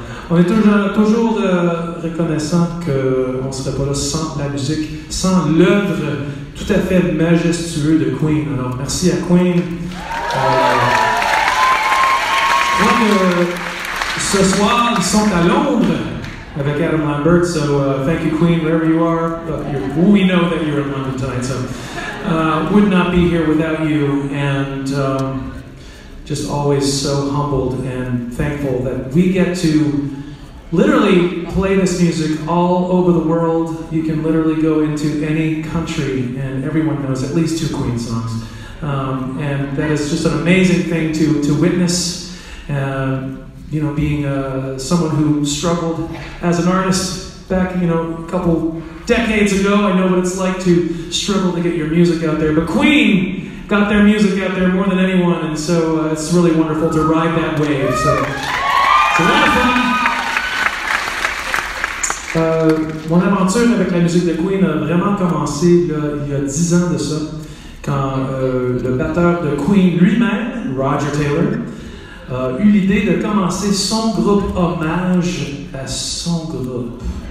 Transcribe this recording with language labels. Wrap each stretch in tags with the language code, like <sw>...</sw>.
<fr>On est toujours reconnaissant qu'on ne serait pas là sans la musique, sans l'œuvre tout à fait majestueuse de Queen. Alors, merci à Queen. Je crois que ce soir, ils sont à Londres avec Adam Lambert.</fr> <en>So, thank you, Queen, wherever you are. But we know that you're in London tonight, so would not be here without you. And just always so humbled and thankful that we get to literally play this music all over the world. You can literally go into any country and everyone knows at least two Queen songs. And that is just an amazing thing to witness. You know, being someone who struggled as an artist back, you know, a couple decades ago, I know what it's like to struggle to get your music out there. But Queen got their music out there more than anyone, and so it's really wonderful to ride that wave. So it's a lot of fun.</en> <fr>Mon aventure avec la musique de Queen a vraiment commencé là, il y a 10 ans de ça, quand le batteur de Queen lui-même, Roger Taylor, a eu l'idée de commencer son groupe hommage à son groupe.</fr>